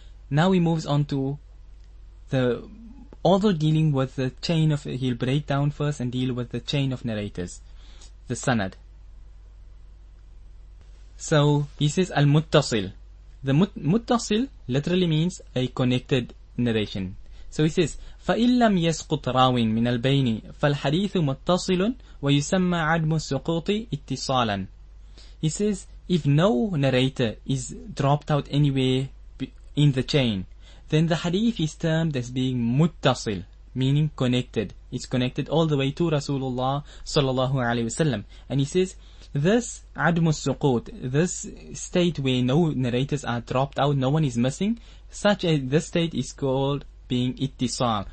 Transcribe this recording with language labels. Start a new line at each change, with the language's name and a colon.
English: Now he moves on to the, although dealing with the chain of, he'll break down first and deal with the chain of narrators, the sanad. So he says, al-muttasil. The muttasil literally means a connected narration. So he says,
Arabic: فَإِنْ لَمْ يَسْقُطْ رَاوٍ مِنَ الْبَيْنِ فَالْحَدِيثُ مُتَّصِلٌ وَيُسَمَّ عَدْمُ السُّقُوطِ اتِّصَالًا.
English: He says, if no narrator is dropped out anywhere in the chain, then the hadith is termed as being muttasil, meaning connected. It's connected all the way to Rasulullah sallallahu alayhi wasallam. And he says, this adm al-suqut, this state where no narrators are dropped out, no one is missing, such a this state is called being ittisal.